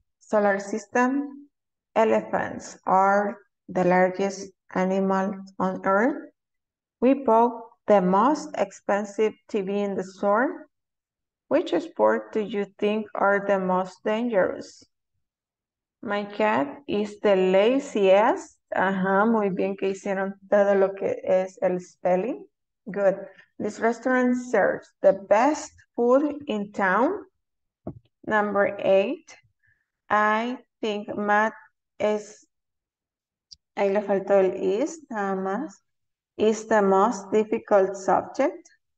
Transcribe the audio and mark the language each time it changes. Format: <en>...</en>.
<en>Solar system. Elephants are the largest animal on Earth. We bought the most expensive TV in the store. Which sport do you think are the most dangerous? My cat is the laziest</en> <es>Ajá, muy bien que hicieron todo lo que es el spelling.</es> <en>Good. This restaurant serves the best food in town. Number 8. I think Matt is,</en> <es>ahí le faltó el is, nada más,</es> <en>is the most difficult subject.</en>